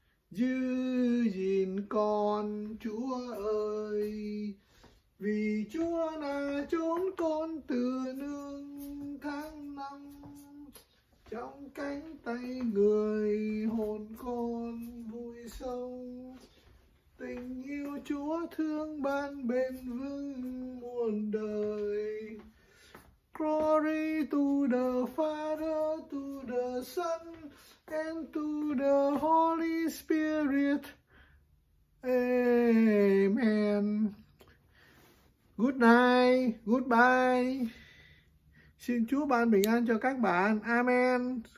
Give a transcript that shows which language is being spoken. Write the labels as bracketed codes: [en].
[vi] Giữ gìn con Chúa ơi, vì Chúa là chốn con từ nương tháng năm, trong cánh tay người hồn con vui sống. Tình yêu Chúa thương ban bền vững muôn đời. [en] Glory to the Father, to the Son, and to the Holy Spirit. Amen. Good night, goodbye. [vi] Xin Chúa ban bình an cho các bạn. Amen.